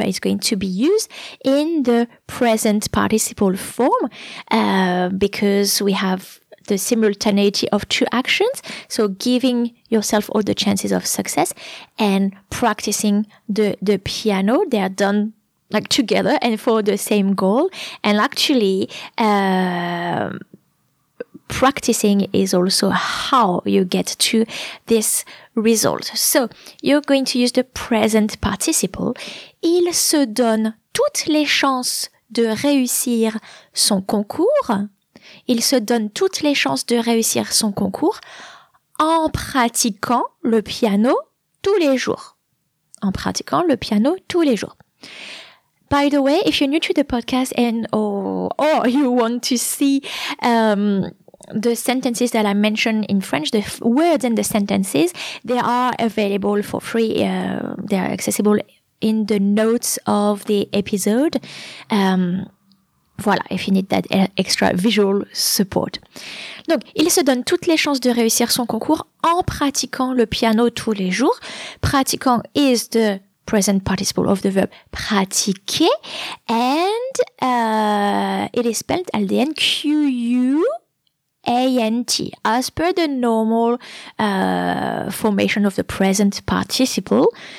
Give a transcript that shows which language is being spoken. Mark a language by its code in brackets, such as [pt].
[en] It's going to be used in the present participle form because we have the simultaneity of two actions, so giving yourself all the chances of success and practicing the piano. They are done like together and for the same goal. And actually, practicing is also how you get to this result. So you're going to use the present participle. [fr] Il se donne toutes les chances de réussir son concours. Il se donne toutes les chances de réussir son concours en pratiquant le piano tous les jours. En pratiquant le piano tous les jours. [en] By the way, if you're new to the podcast and or you want to see the sentences that I mentioned in French, the words and the sentences, they are available for free. They are accessible in the notes of the episode. Voilà, if you need that extra visual support. [fr] Donc, il se donne toutes les chances de réussir son concours en pratiquant le piano tous les jours. [en] Pratiquant is the present participle of the verb pratiquer. And it is spelled L-D-N Q-U-A-N-T as per the normal formation of the present participle.